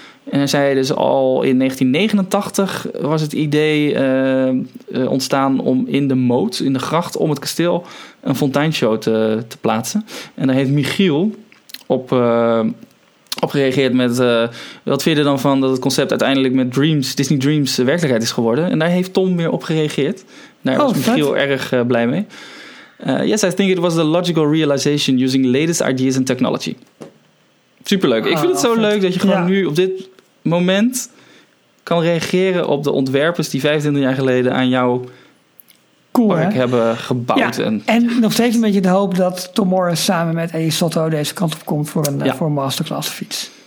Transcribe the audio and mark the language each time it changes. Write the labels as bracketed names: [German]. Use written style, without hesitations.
[Dutch] En hij zei dus al in 1989 was het idee ontstaan om in de moot, in de gracht om het kasteel, een fonteinshow te plaatsen. En daar heeft Michiel op gereageerd met, wat vind je er dan van dat het concept uiteindelijk met Dreams, Disney Dreams, werkelijkheid is geworden? En daar heeft Tom weer op gereageerd. Daar was Michiel erg blij mee. [English] Yes, I think it was the logical realization using latest ideas and technology. [Dutch] Superleuk. Ik vind het zo leuk dat je gewoon nu op dit moment kan reageren op de ontwerpers die 25 jaar geleden aan jouw park hebben gebouwd. Ja. En nog steeds een beetje de hoop dat Tom Morris samen met Eddie Sotto deze kant op komt voor voor een masterclass fiets.